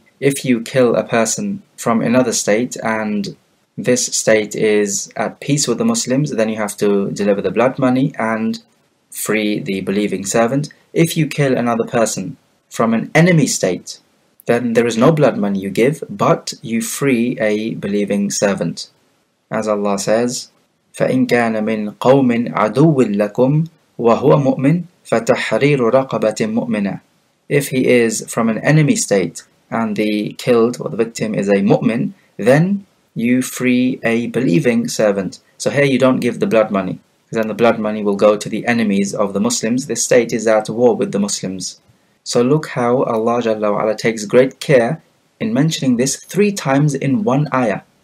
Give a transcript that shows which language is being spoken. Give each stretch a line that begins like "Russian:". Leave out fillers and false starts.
English: If you kill a person from another state and this state is at peace with the Muslims, then you have to deliver the blood money and free the believing servant. If you kill another person from an enemy state, then there is no blood money you give, but you free a believing servant. As Allah says,
Arabic: فَإِنْ كَانَ مِنْ قَوْمٍ عَدُوٍ لَكُمْ وَهُوَ مُؤْمِنٍ فَتَحْرِيرُ رَقَبَةٍ مُؤْمِنًا.
English: If he is from an enemy state and the killed or the victim is a mu'min, then you free a believing servant. So here you don't give the blood money, because then the blood money will go to the enemies of the Muslims. This state is at war with the Muslims. So look how Allah Jalla wa'ala takes great care in mentioning this 3 times in one ayah.